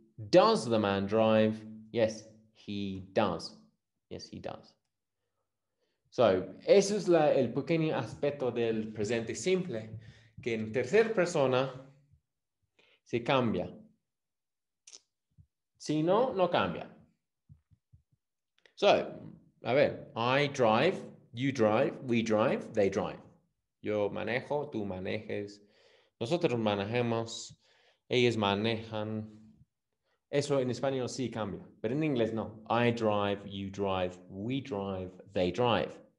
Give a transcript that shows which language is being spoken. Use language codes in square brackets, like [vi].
[en] Does the man drive? Yes, he does. Yes, he does. [es] So, eso es el pequeño aspecto del presente simple, que en tercera persona se cambia. Si no, no cambia. [en] So, [es] a ver, [en] I drive, you drive, we drive, they drive. [es] Yo manejo, tú manejes, nosotros manejamos, ellos manejan. Eso en español sí cambia, pero en inglés no. [en] I drive, you drive, we drive, they drive.